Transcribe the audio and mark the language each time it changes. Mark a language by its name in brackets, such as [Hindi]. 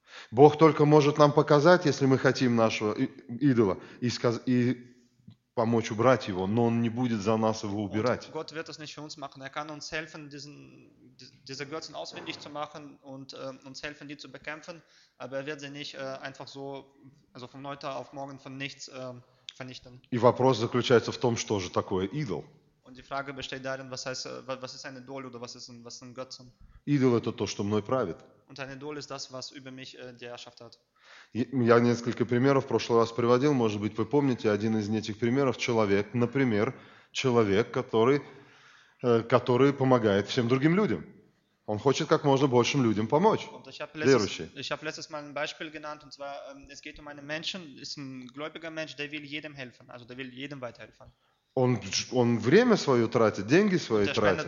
[Russian] Бог только может нам показать, если мы хотим нашего идола, и помочь убрать его, но Он не будет за нас его убирать. [German] Gott wird das nicht für uns machen. Er kann uns helfen, diese Götzen auswendig zu machen und uns helfen, die zu bekämpfen, aber wird sie nicht einfach so, also von heute auf morgen von nichts vernichten. [Russian] И вопрос заключается в том, что же такое идол. [German] Und die Frage besteht darin, was heißt, was ist ein Idol oder was ist ein Götzen? [Russian] Идол — это то, что мной правит. [German] Und ein Idol ist das, was über mich die Herrschaft hat. [Russian] Я несколько примеров в прошлый раз приводил, может быть, вы помните, один из этих примеров — человек, например, человек, который помогает всем другим людям. Он хочет как можно большим людям помочь, верующий. [German] Ich habe letztes Mal ein Beispiel genannt, und zwar, es geht um einen Menschen, ist ein gläubiger Mensch, der will jedem helfen, also der will jedem weiterhelfen. [Russian] Он время свое тратит, деньги свои тратит.